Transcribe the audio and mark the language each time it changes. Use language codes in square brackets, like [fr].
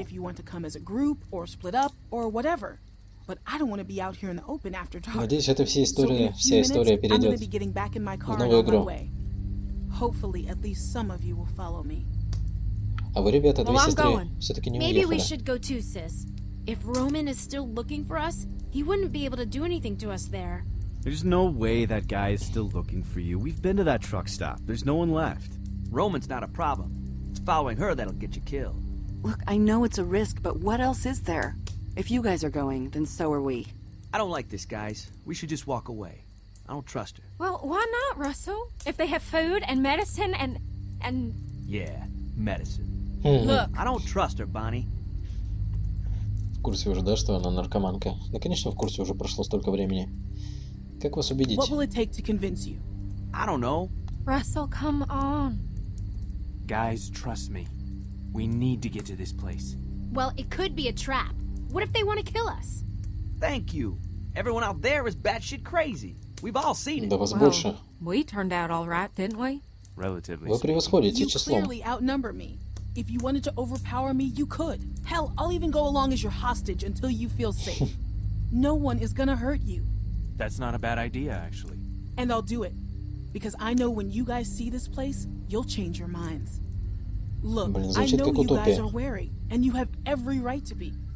[en] If you want to come as a group or split up or whatever, but I don't want to be out here in the open after dark. [ru] Надеюсь, эта вся история перейдет в новую игру. [en] Hopefully, at least some of you will follow me. [ru] А вы, ребята, две сестры, все-таки не уехали. [en] Maybe we should go too, sis. If Roman is still looking for us, he wouldn't be able to do anything to us there. There's no way that guy is still looking for you. We've been to that truck stop. There's no one left. Roman's not a problem. Following her, that'll get you killed. Look, I know it's a risk, but what else is there? If you guys are going, then so are we. I don't like this, guys. We should just walk away. I don't trust her. Well, why not, Russell? If they have food and medicine and... Yeah, medicine. Look, I don't trust her, Bonnie. [ru] В курсе уже, да, что она наркоманка? Да, конечно, в курсе уже прошло столько времени. Как вас убедить? [en] What will it take to convince you? I don't know. Russell, come on. Guys, trust me. We need to get to this place. Well, it could be a trap. What if they want to kill us? Thank you. Everyone out there is batshit crazy. We've all seen it. [ru] Да вас больше. [en] We turned out all right, didn't we? Relatively. [ru] Вы превосходите числом. [en] You clearly outnumber me. If you wanted to overpower me, you could. Hell, I'll even go along as your hostage until you feel safe. No one is gonna hurt you. That's not a bad idea, actually. And I'll do it. Because I know when you guys see this place, you'll change your minds. Look, I know you guys are wary, and you have every right to be.